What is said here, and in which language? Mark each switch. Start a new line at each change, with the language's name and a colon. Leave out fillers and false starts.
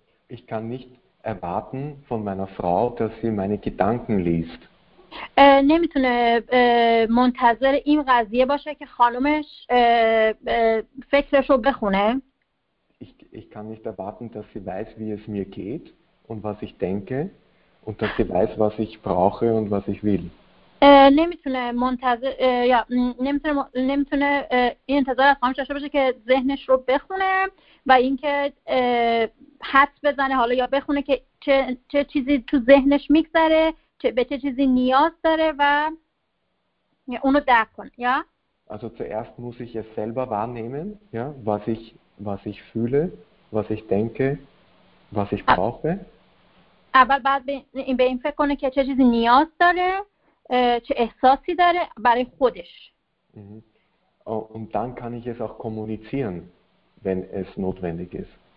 German: Ich kann nicht erwarten von meiner Frau, dass sie meine Gedanken liest.
Persian: نمیتونه منتظر این قضیه باشه که خانومش فکرش رو بخونه.
German: Ich kann nicht erwarten, dass sie weiß, wie es mir geht und was ich denke und dass sie weiß, was ich brauche und was ich will.
Persian: نمیتونه این انتظار از خانومش باشه که ذهنش رو بخونه و اینکه حدس بزنه حالا یا بخونه که چه چیزی تو ذهنش میگذره، به چه چیزی نیاز داره و اونو درک کنه. یا
German: Also zuerst muss ich es selber wahrnehmen, ja, was ich fühle, was ich denke, was ich brauche.
Persian: اول باید به این فکر کنه که چه چیزی نیاز داره، چه احساسی داره برای خودش.
German: Und dann kann ich es auch kommunizieren, wenn es notwendig ist.